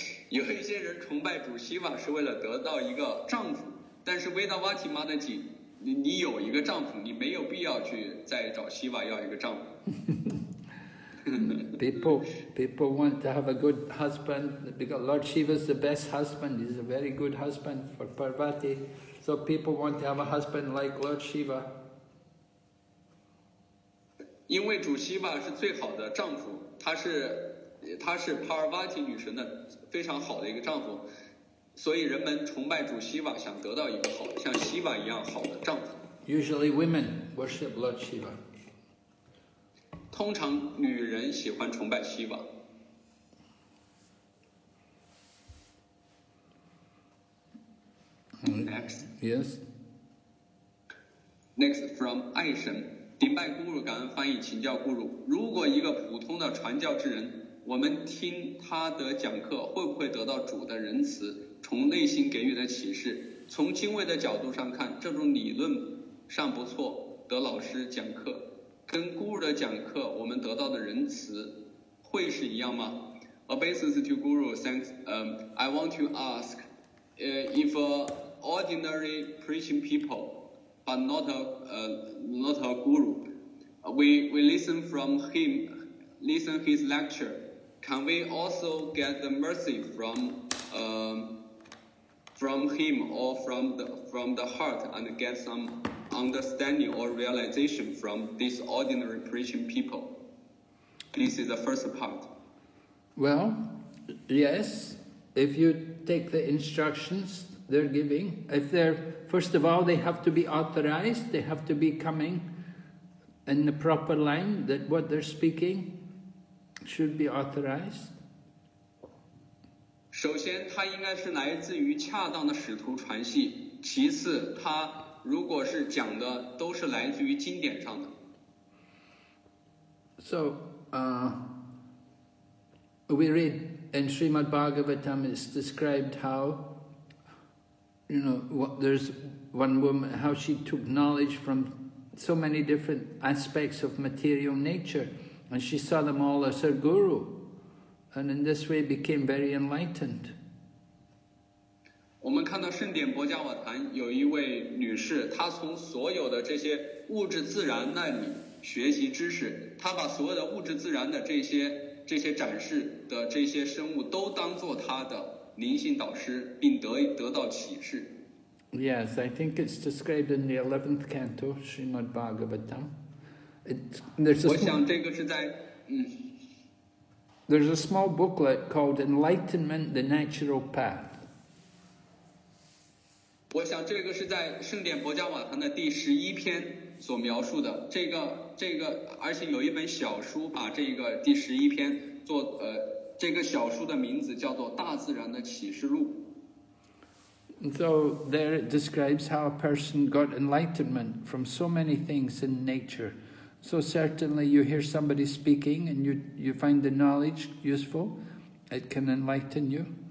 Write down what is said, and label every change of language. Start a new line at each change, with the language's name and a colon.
Chinese: 有一些人崇拜主希瓦是为了得到一个丈夫，但是 Vedavati Mataji, 你有一个丈夫，你没有必要去再找希瓦要一个丈夫。
English: People want to have a good husband because Lord Shiva is the best husband. He's a very good husband for Parvati. So people want to have a husband like Lord Shiva.
Chinese: 因为主希瓦是最好的丈夫，他是 Parvati 女神的非常好的一个丈夫，所以人们崇拜主希瓦，想得到一个好像希瓦一样好的丈夫。
English: Usually women worship Lord Shiva.
Chinese: 通常女人喜欢崇拜希瓦。
English: Next. Yes. Next from
Chinese: 爱神，顶拜 Guru 感恩翻译，请教 Guru， 如果一个普通的传教之人，我们听他的讲课，会不会得到主的仁慈，从内心给予的启示？从敬畏的角度上看，这种理论上不错，得老师讲课。跟 Guru 的讲课，我们得到的仁慈会是一样吗？
English: Obeisance to Guru, thanks. I want to ask, if ordinary preaching people, but not a Guru, we listen from him, listen his lecture, can we also get the mercy from him or from the heart and get some? Understanding or realization from these ordinary preaching people. This is the first part. Well, yes, if you take the instructions they're giving, if they're, first of all, they have to be authorized, they have to be coming in the proper line that what they're speaking should be authorized.
Chinese: 首先他应该是来自于恰当的使徒传系，其次他如果是讲的都是来自于经典上的。
English: So, we read in Srimad Bhagavatam, it's described how, you know, there's one woman, how she took knowledge from so many different aspects of material nature, and she saw them all as her guru, and in this way became very enlightened.
Chinese: 我们看到圣典博迦瓦坛有一位女士，她从所有的这些物质自然那里学习知识，她把所有的物质自然的这些展示的这些生物都当作她的灵性导师，并得到启示。
English: Yes, I think it's described in the 11th canto, Srimad Bhagavatam.
Chinese: 我想这个是在
English: There's a small booklet called Enlightenment, the Natural Path.
Chinese: 我想这个是在圣典博迦瓦坛的第十一篇所描述的，这个而且有一本小书把这个第十一篇做这个小书的名字叫做大自然的启示录。
English: So there it describes how a person got enlightenment from so many things in nature. So certainly you hear somebody speaking and you find the knowledge useful, it can enlighten you.